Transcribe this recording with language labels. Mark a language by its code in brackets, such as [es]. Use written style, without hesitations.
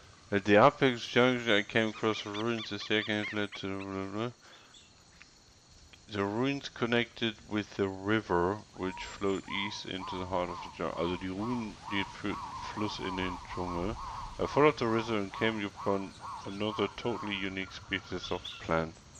[en] At the Apex Junction, I came across the ruins. The second led to the ruins connected with the river, which flowed east into the heart of the jungle. [de] Also die Ruinen, die Fluss in den Dschungel. [en] I followed the river and came upon another totally unique species of plant.